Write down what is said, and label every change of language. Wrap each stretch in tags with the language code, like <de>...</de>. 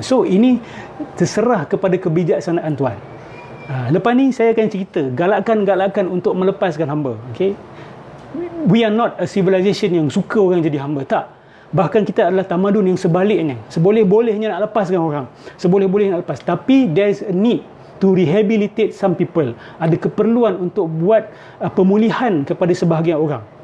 <ms>So ini terserah kepada kebijaksanaan Tuhan. Lepas ni saya akan cerita galakan-galakan untuk melepaskan hamba. Okay?</ms> <en>We are not a civilization</en> <ms>yang suka orang jadi hamba. Tak. Bahkan kita adalah tamadun yang sebaliknya. Seboleh-bolehnya nak lepaskan orang. Seboleh-bolehnya nak lepas.</ms> <en>Tapi there's a need to rehabilitate some people.</en> <ms>Ada keperluan untuk buat pemulihan kepada sebahagian orang.</ms>